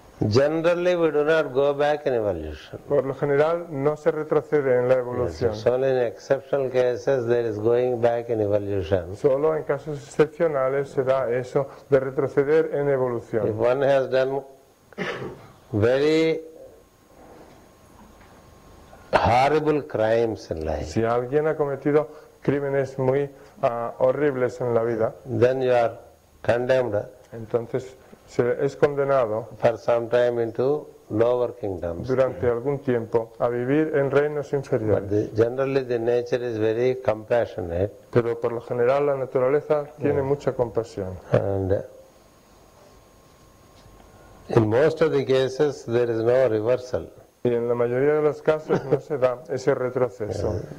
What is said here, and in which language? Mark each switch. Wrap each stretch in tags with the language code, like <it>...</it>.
<en>Generally, we do not go back in evolution.</en> <es>Por lo general, no se retrocede en la evolución.</es> <en>Yes, only in exceptional cases there is going back in evolution.</en> <es>Solo en casos excepcionales se da eso de retroceder en evolución.</es> <en>If one has done very horrible crimes in life.</en> <es>Si alguien ha cometido crímenes muy horribles en la vida,</es> <en>then you are condemned.</en> <es>Entonces se es condenado</es> <en>for some time into lower kingdoms.</en> <es>Durante algún tiempo a vivir en reinos inferiores.</es> <en>But generally the nature is very compassionate.</en> <es>Pero por lo general la naturaleza tiene mucha compasión.</es> <en>And in most of the cases there is no reversal.</en> <es>Y en la mayoría de los casos no se da ese retroceso.</es>